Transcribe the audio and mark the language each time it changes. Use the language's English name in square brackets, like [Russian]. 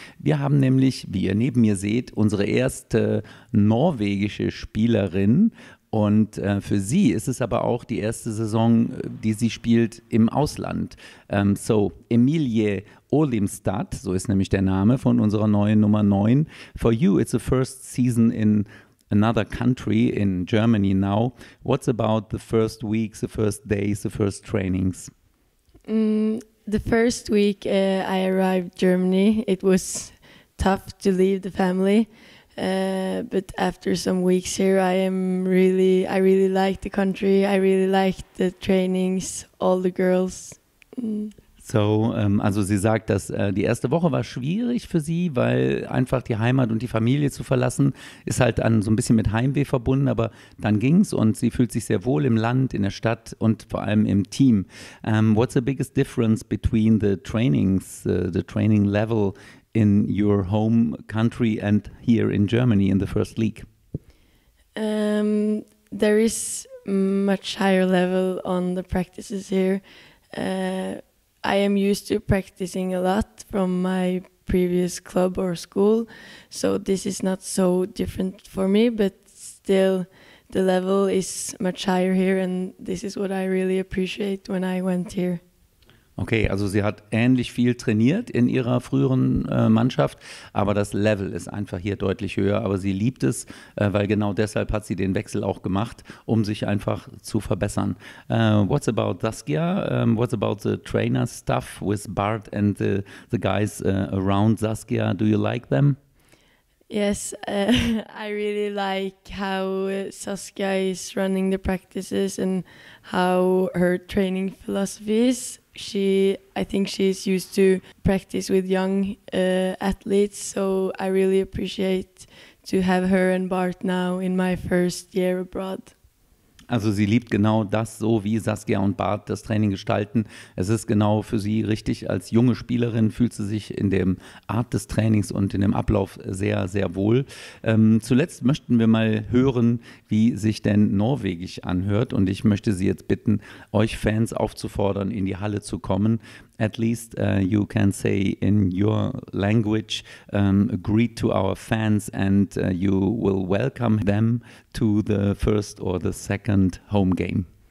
[German] Wir haben nämlich, wie ihr neben mir seht, unsere erste norwegische Spielerin. Und für sie ist es aber auch die erste Saison, die sie spielt im Ausland. So, Emilie Olimstad, so ist nämlich der Name von unserer neuen Nummer 9. [English] For you, it's the first season in another country, in Germany now. What's about the first weeks, the first days, the first trainings? The first week I arrived in Germany, it was tough to leave the family. But after some weeks here, I really like the country. I really like the trainings, all the girls. [German] Also sie sagt, dass die erste Woche war schwierig für sie, weil einfach die Heimat und die Familie zu verlassen ist halt dann so ein bisschen mit Heimweh verbunden. Aber dann ging's und sie fühlt sich sehr wohl im Land, in der Stadt und vor allem im Team. [English] What's the biggest difference between the trainings, the training level in your home country and here in Germany in the first league? There is much higher level on the practices here. I am used to practicing a lot from my previous club or school, so this is not so different for me, but still the level is much higher here and this is what I really appreciate when I went here. [German] Okay, also sie hat ähnlich viel trainiert in ihrer früheren Mannschaft, aber das Level ist einfach hier deutlich höher. Aber sie liebt es, weil genau deshalb hat sie den Wechsel auch gemacht, um sich einfach zu verbessern. [English] What's about Saskia? What's about the trainer stuff with Bart and the guys around Saskia? Do you like them? Yes, I really like how Saskia is running the practices and how her training philosophy is. I think she's used to practice with young athletes, so I really appreciate to have her and Bart now in my first year abroad. [German] Also sie liebt genau das, so wie Saskia und Bart das Training gestalten. Es ist genau für sie richtig. Als junge Spielerin fühlt sie sich in der Art des Trainings und in dem Ablauf sehr, sehr wohl. Zuletzt möchten wir mal hören, wie sich denn Norwegisch anhört. Und ich möchte Sie jetzt bitten, euch Fans aufzufordern, in die Halle zu kommen. [English] At least you can say in your language, greet to our fans and you will welcome them to the first or the second home game.